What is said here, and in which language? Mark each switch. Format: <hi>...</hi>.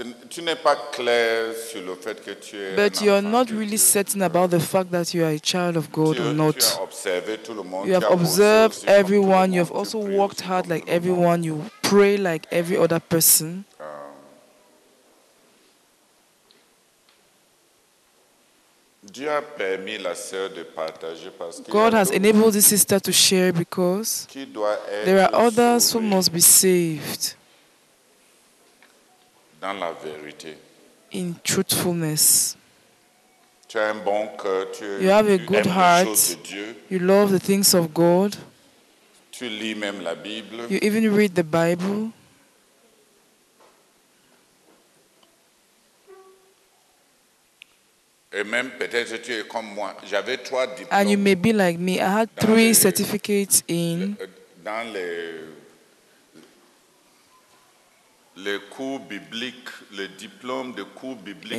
<fr>Tu n'es pas clair sur le fait que tu es.</fr> <en>But you are not really certain about the fact that you are a child of God or not.</en> <fr>Tu as observé tout le monde.</fr> <en>You have observed everyone. You have also worked hard like everyone. You pray like every other person.</en> <fr>Dieu a permis la sœur de partager parce que.</fr> <en>God has enabled this sister to share because.</en> <fr>Qui doit être.</fr> <en>There are others who must be saved.</en> <fr>Dans la vérité.</fr> <en>In truthfulness.</en> <fr>Tu as un bon cœur, tu</fr> <en>you have a good heart. You love the things of God.</en> <fr>Tu lis même la Bible.</fr> <en>You even read the Bible. Mm.</en> <fr>Et même peut-être tu es comme moi. J'avais trois diplômes.</fr> <en>And you may be like me. I had three certificates in.</en> <fr>Dans les cours bibliques, le diplôme de cours biblique.</fr>